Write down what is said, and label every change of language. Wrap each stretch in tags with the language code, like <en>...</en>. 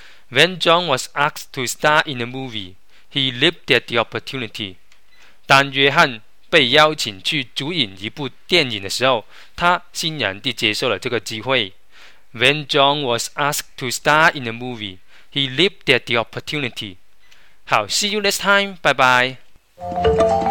<en>When John was asked to star in a movie, he leaped at the opportunity.</en> <zh>当约翰被邀请去主演一部电影的时候，他欣然地接受了这个机会。</zh> <en>When John was asked to star in a movie, he leaped at the opportunity. 好 ,see you next time, bye bye.</en>